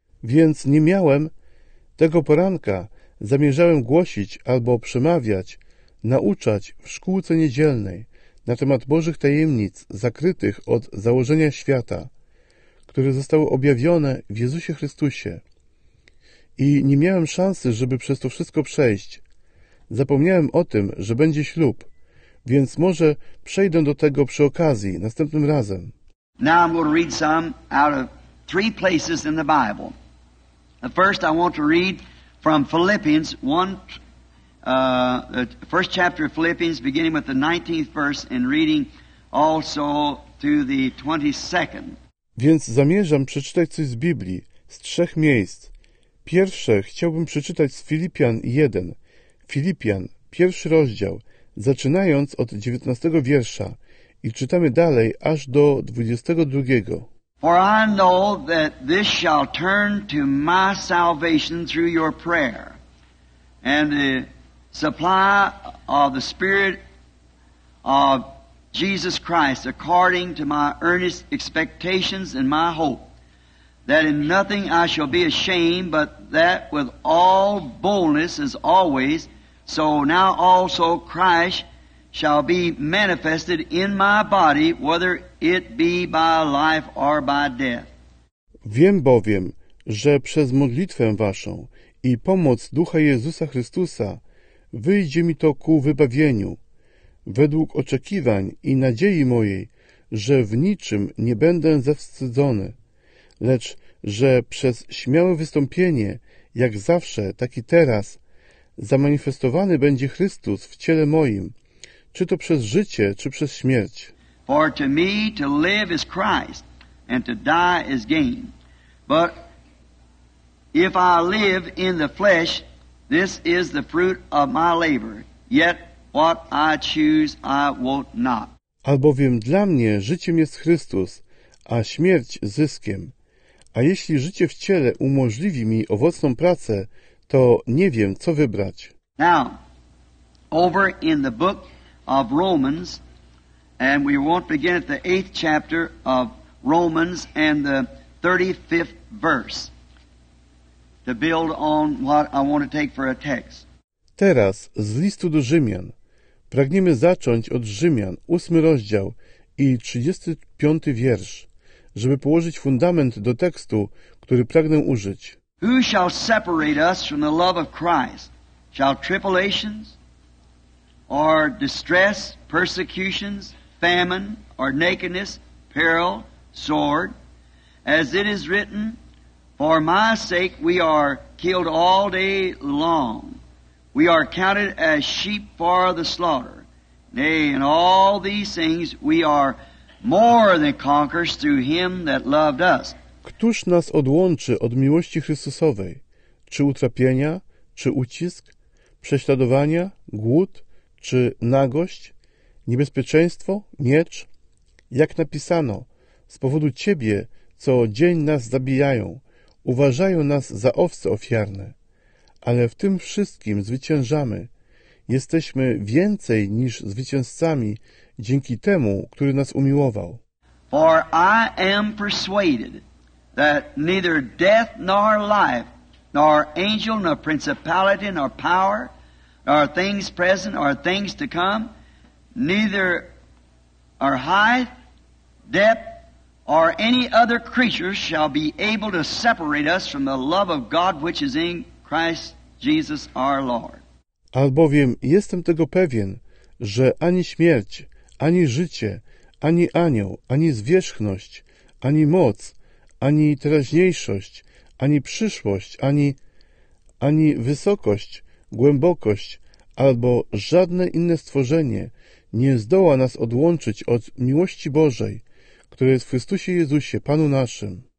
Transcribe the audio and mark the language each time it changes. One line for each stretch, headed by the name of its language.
Polish: Więc nie miałem tego poranka. Zamierzałem głosić albo przemawiać, nauczać w szkółce niedzielnej na temat Bożych tajemnic zakrytych od założenia świata, które zostały objawione w Jezusie Chrystusie. I nie miałem szansy, żeby przez to wszystko przejść. Zapomniałem o tym, że będzie ślub, więc może przejdę do tego przy okazji następnym razem.
English: Now I'm going to read some out of three places in the Bible. The first I want to read from Philippians 1. The first chapter of Philippians, beginning with the 19th verse and reading also to the 22nd.
Polish: Więc zamierzam przeczytać coś z Biblii, z trzech miejsc. Pierwsze chciałbym przeczytać z Filipian 1. Filipian, pierwszy rozdział, zaczynając od 19 wiersza i czytamy dalej aż do 22.
English: For I know that this shall turn to my salvation through your prayer and the supply of the Spirit of Jesus Christ according to my earnest expectations and my hope, that in nothing I shall be ashamed, but that with all boldness as always, so now also Christ shall be manifested in my body, whether it be by life or by death.
Polish: Wiem bowiem, że przez modlitwę waszą i pomoc Ducha Jezusa Chrystusa wyjdzie mi to ku wybawieniu, według oczekiwań i nadziei mojej, że w niczym nie będę zawstydzony, lecz że przez śmiałe wystąpienie, jak zawsze, tak i teraz, zamanifestowany będzie Chrystus w ciele moim, czy to przez życie, czy przez śmierć.
English: For to me to live is Christ, and to die is gain. But if I live in the flesh, this is the fruit of my labor, yet what I choose I want not.
Polish: Albowiem dla mnie życiem jest Chrystus, a śmierć zyskiem. A jeśli życie w ciele umożliwi mi owocną pracę, to nie wiem, co wybrać.
English: Now, over in the book of Romans, and we won't begin at the 8th chapter of Romans and the 35th verse, to build on what I want to take for a text.
Polish: Teraz z listu do Rzymian. Pragniemy zacząć od Rzymian, 8 rozdział i 35 wiersz, żeby położyć fundament do tekstu, który pragnę użyć.
English: Who shall separate us from the love of Christ? Shall tribulations, or distress, persecutions, famine, or nakedness, peril, sword? As it is written, for my sake we are killed all day long. We are counted as sheep for the slaughter. Nay, in all these things we are more than conquerors through him that loved us.
Polish: Któż nas odłączy od miłości Chrystusowej? Czy utrapienia, czy ucisk, prześladowania, głód, czy nagość, niebezpieczeństwo, miecz? Jak napisano, z powodu ciebie co dzień nas zabijają, uważają nas za owce ofiarne. Ale w tym wszystkim zwyciężamy. Jesteśmy więcej niż zwycięzcami dzięki temu, który nas umiłował.
English: For I am persuaded that neither death nor life, nor angel, nor principality, nor power, nor things present, nor things to come, neither our height, depth, or any other creature shall be able to separate us from the love of God which is in Christ Jesus our Lord.
Polish: Albowiem jestem tego pewien, że ani śmierć, ani życie, ani anioł, ani zwierzchność, ani moc, ani teraźniejszość, ani przyszłość, ani wysokość, głębokość, albo żadne inne stworzenie nie zdoła nas odłączyć od miłości Bożej, która jest w Chrystusie Jezusie, Panu naszym.